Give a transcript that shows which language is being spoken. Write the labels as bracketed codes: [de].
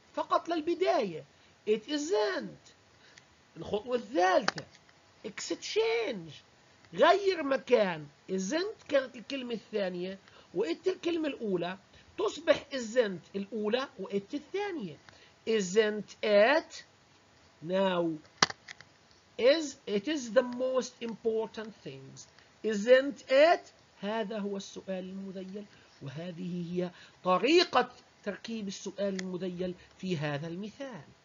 [ar] فقط للبداية. [en] It isn't. [ar] الخطوة الثالثة. [en] Exchange. [ar] غير مكان. Isn't كانت الكلمة الثانية. وإت الكلمة الأولى. تصبح isn't الأولى وإت الثانية. [en] Isn't it? Now, is it is the most important things. Isn't it? [ar] هذا هو السؤال المذيل وهذه هي طريقة تركيب السؤال المذيل في هذا المثال.